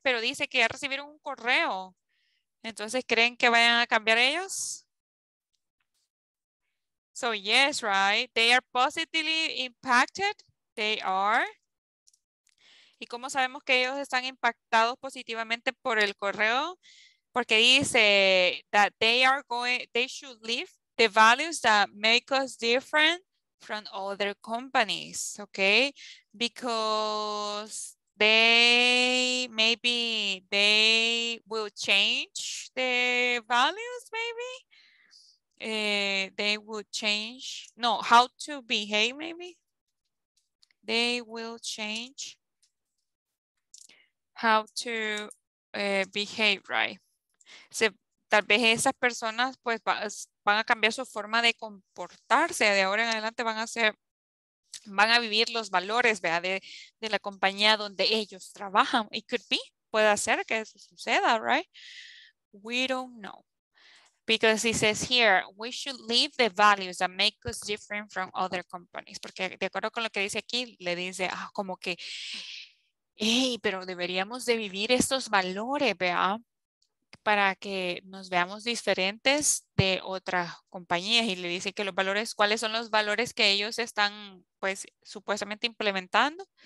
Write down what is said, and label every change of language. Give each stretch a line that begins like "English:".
Spanish: Pero dice que ya recibieron un correo. Entonces, ¿creen que vayan a cambiar ellos?
English: So, yes, right. They are positively impacted. They are.
Spanish: ¿Y cómo sabemos que ellos están impactados positivamente por el correo?
English: Porque dice that they are going, they should live the values that make us different from other companies, okay? Because they, maybe they will change the values, maybe? They would change, no, how to behave, maybe? They will change how to behave, right?
Spanish: Se, tal vez esas personas pues van a cambiar su forma de comportarse, de ahora en adelante van a ser, van a vivir los valores, ¿vea? De la compañía donde ellos trabajan. It could be, puede ser que eso suceda, right? We don't know.
English: Because it says here, we should leave the values that make us different from other companies.
Spanish: Porque de acuerdo con lo que dice aquí, le dice como que, hey, pero deberíamos de vivir estos valores, ¿vea? Para que nos veamos diferentes de otras compañías. Y le dice que los valores, ¿cuáles son los valores que ellos están, pues, supuestamente implementando?